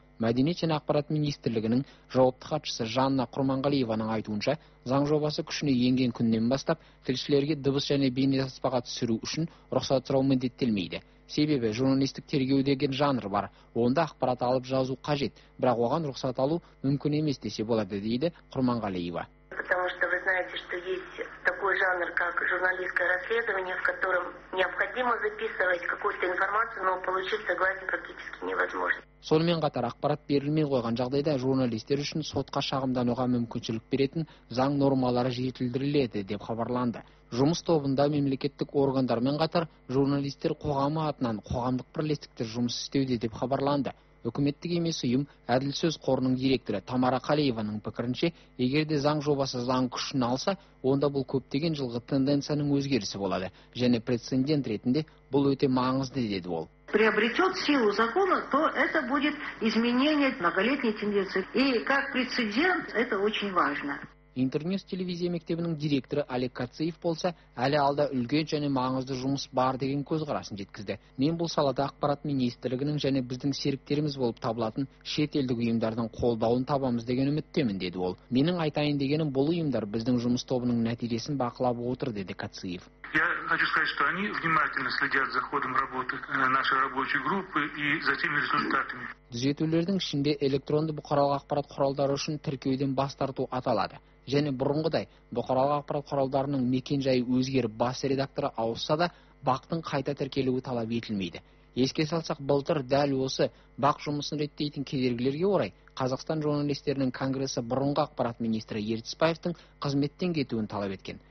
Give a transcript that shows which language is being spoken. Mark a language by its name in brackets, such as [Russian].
[Kazakh] Мәдениет және ақпарат министрлігінің жауапты хатшысы Жанна Құрманғалиеваның айтуынша, заң жобасы күшіне енген күннен бастап тілшілерге дыбыс және бейне таспаға түсіру үшін рұқсат сұрау міндеттелмейді. Себебі журналистік тергеу деген жанр бар, онда ақпарат алып жазу қажет, бірақ оған рұқсат алу мүмкін емес десе болады, дейді Құрманғалиева. [Russian] Потому что вы знаете, что есть такой жанр, как журналистское расследование, в котором необходимо записывать какую-то информацию, но получить согласие практически невозможно. [Kazakh] Сонымен қатар ақпарат берілмей қойған жағдайда журналистер үшін сотқа шағымдануға мүмкіншілік беретін заң нормалары жетілдіріледі деп хабарланды. Жұмыс тобында мемлекеттік органдармен қатар журналистер қоғамы атынан қоғамдық бірлестіктер жұмыс істеуде деп хабарланды. Үкіметтік емес ұйым Әділсөз қорының директоры Тамара Қалиеваның пікірінше, егер де заң жобасы заң күшін алса, онда бұл көптеген жылғы тенденцияның өзгерісі болады және прецедент ретінде бұл өте маңызды, деді ол. [Russian] Приобретет силу закона, то это будет изменение многолетней тенденции. И как прецедент, это очень важно. [Kazakh] Интернет телевизия мектебінің директоры Олег Кацеев болса, әлі алда үлкен және маңызды жұмыс бар деген көзқарасын жеткізді. Мен бұл салада ақпарат министрлігінің және біздің серіктеріміз болып табылатын шет елдік ұйымдардың қолдауын табамыз деген үміттемін, деді ол. Менің айтайын дегенім, бұл ұйымдар біздің жұмыс тобының нәтижесін бақылап отыр, деді Кацеев. [Russian] Я хочу сказать, что они внимательно следят за ходом работы нашей рабочей группы и за теми результатами. [Kazakh] Түзетулердің ішінде электронды бұқаралық ақпарат құралдары үшін тіркеуден бас тарту аталады. Және бұрынғыдай бұқаралық ақпарат құралдарының мекен-жайы өзгеріп бас редакторы ауысса да бақтың қайта тіркелуі талап етілмейді. Еске салсақ, былтыр дәл осы бақ жұмысын реттейтін кедергілерге орай Қазақстан журналистерінің конгресі бұрынғы ақпарат министрі Ертісбаевтың қызметтен кетуін талап еткен.